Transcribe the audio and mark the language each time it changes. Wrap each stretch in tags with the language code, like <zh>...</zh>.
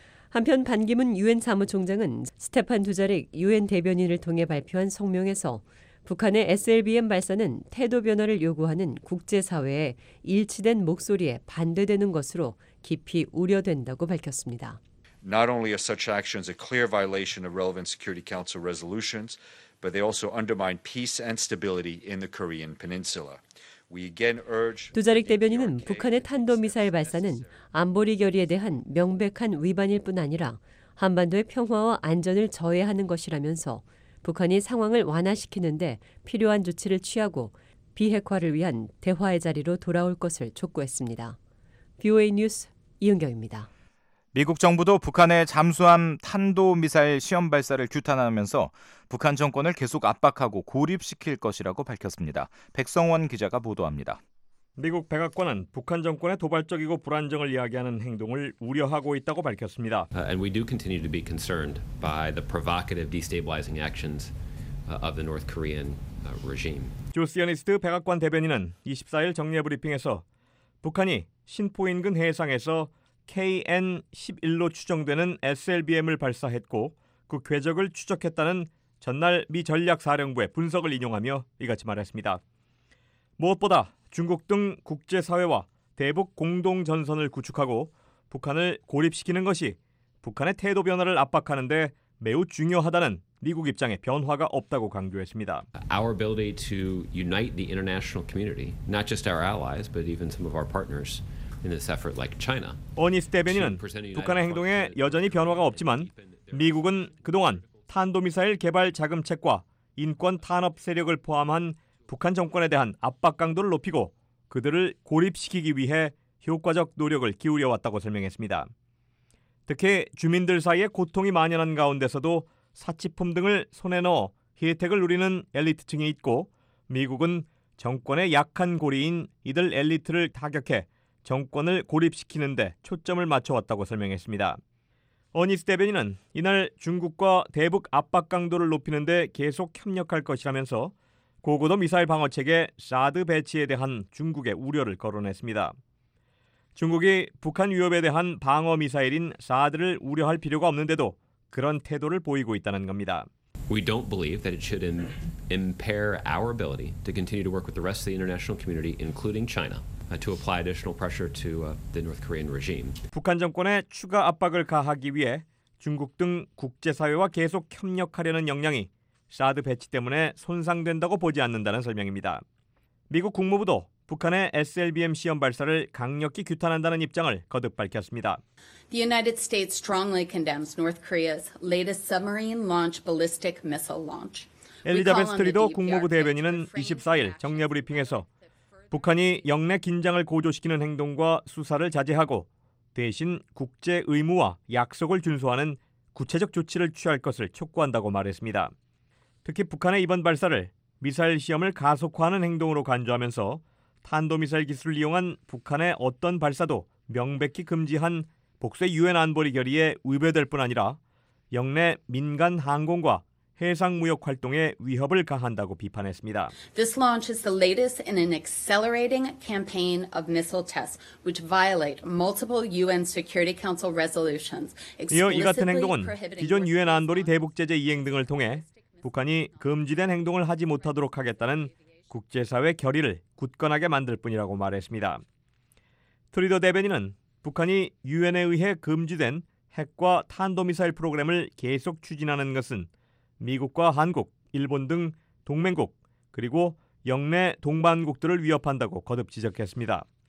<ko>한편 반기문 유엔 사무총장은 스테판 두자릭 유엔 대변인을 통해 발표한 성명에서 북한의 SLBM 발사는 태도 변화를 요구하는 국제사회의 일치된 목소리에 반대되는 것으로 깊이 우려된다고 밝혔습니다.</ko> <en>Not only are such actions a clear violation of relevant Security Council resolutions, but they also undermine peace and stability in the Korean Peninsula. We again urge</en> <ko>두자릭 대변인은 북한의 탄도미사일 발사는 안보리 결의에 대한 명백한 위반일 뿐 아니라 한반도의 평화와 안전을 저해하는 것이라면서 북한이 상황을 완화시키는데 필요한 조치를 취하고 비핵화를 위한 대화의 자리로 돌아올 것을 촉구했습니다. VOA 뉴스 이은경입니다. 미국 정부도 북한의 잠수함 탄도미사일 시험 발사를 규탄하면서 북한 정권을 계속 압박하고 고립시킬 것이라고 밝혔습니다. 백성원 기자가 보도합니다. 미국 백악관은 북한 정권의 도발적이고 불안정을 이야기하는 행동을 우려하고 있다고 밝혔습니다.</ko> <en>And we do continue to be concerned by the provocative destabilizing actions of the North Korean regime.</en> <ko>조스 연이스트 백악관 대변인은 24일 정례 브리핑에서 북한이 신포 인근 해상에서 KN-11로 추정되는 SLBM을 발사했고 그 궤적을 추적했다는 전날 미 전략사령부의 분석을 인용하며 이같이 말했습니다. 무엇보다 중국 등 국제사회와 대북 공동전선을 구축하고 북한을 고립시키는 것이 북한의 태도 변화를 압박하는 데 매우 중요하다는 미국 입장에 변화가 없다고 강조했습니다.</ko> <en>Our ability to unite the international community, not just our allies, but even some of our partners in this effort like China.</en> <ko>어니스 대변인은 북한의 행동에 여전히 변화가 없지만 미국은 그동안 탄도미사일 개발 자금책과 인권 탄압 세력을 포함한 북한 정권에 대한 압박 강도를 높이고 그들을 고립시키기 위해 효과적 노력을 기울여 왔다고 설명했습니다. 특히 주민들 사이에 고통이 만연한 가운데서도 사치품 등을 손에 넣어 혜택을 누리는 엘리트층이 있고 미국은 정권의 약한 고리인 이들 엘리트를 타격해 정권을 고립시키는 데 초점을 맞춰왔다고 설명했습니다. 어니스 대변인은 이날 중국과 대북 압박 강도를 높이는 데 계속 협력할 것이라면서 고고도 미사일 방어체계 사드 배치에 대한 중국의 우려를 거론했습니다. 중국이 북한 위협에 대한 방어 미사일인 사드를 우려할 필요가 없는데도 그런 태도를 보이고 있다는 겁니다.</ko> <en>We don't believe that it should impair our ability to continue to work with the rest of the international community, including China, to apply additional pressure to the North Korean regime.</en> <ko>북한 정권에 추가 압박을 가하기 위해 중국 등 국제사회와 계속 협력하려는 역량이 사드 배치 때문에 손상된다고 보지 않는다는 설명입니다. 미국 국무부도 북한의 SLBM 시험 발사를 강력히 규탄한다는 입장을 거듭 밝혔습니다.</ko> <en>The United States strongly condemns North Korea's latest submarine launch ballistic missile launch.</en> <ko>엘리자베스 트리도 국무부 대변인은 24일 정례 브리핑에서 북한이 영내 긴장을 고조시키는 행동과 수사를 자제하고 대신 국제 의무와 약속을 준수하는 구체적 조치를 취할 것을 촉구한다고 말했습니다. 특히 북한의 이번 발사를 미사일 시험을 가속화하는 행동으로 간주하면서 탄도미사일 기술을 이용한 북한의 어떤 발사도 명백히 금지한 복쇄 유엔 안보리 결의에 위배될 뿐 아니라 영내 민간 항공과 해상 무역 활동에 위협을 가한다고 비판했습니다.</ko> <en>This launch is the latest in an accelerating campaign of missile tests which violate multiple UN Security Council resolutions.</en> <ko>이어 이 같은 행동은 기존 유엔 안보리 대북 제재 이행 등을 통해 북한이 금지된 행동을 하지 못하도록 하겠다는 국제사회 결의를 굳건하게 만들 뿐이라고 말했습니다. 트리더 대변인은 북한이 유엔에 의해 금지된 핵과 탄도미사일 프로그램을 계속 추진하는 것은 미국과 한국, 일본 등 동맹국 그리고 영내 동반국들을 위협한다고 거듭 지적했습니다.</ko>